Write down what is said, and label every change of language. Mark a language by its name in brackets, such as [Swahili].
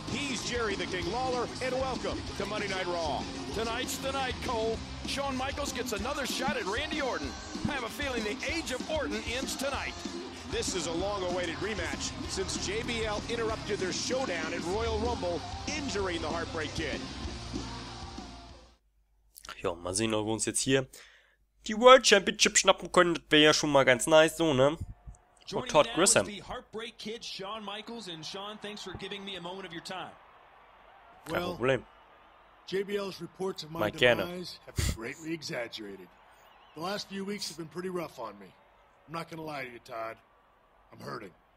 [English] He's Jerry the King Lawler, and welcome to Monday Night Raw. Tonight's the night, Cole. Shawn Michaels gets another shot at Randy Orton. I have a feeling the age of Orton ends tonight. This is a long-awaited rematch since JBL interrupted their showdown at Royal Rumble, injuring the Heartbreak Kid. [German] Ja, mal sehen, ob wir uns jetzt hier die World Championship schnappen können. Das wäre ja schon mal ganz nice, so, ne? [English] Joining Todd Grissom. The Heartbreak Kid, Shawn Michaels, and Shawn, thanks for giving me a moment of your time. Well, JBL's reports of my demise have been greatly exaggerated. The last few weeks have been pretty rough on me. I'm not going to lie to you, Todd. I'm hurting.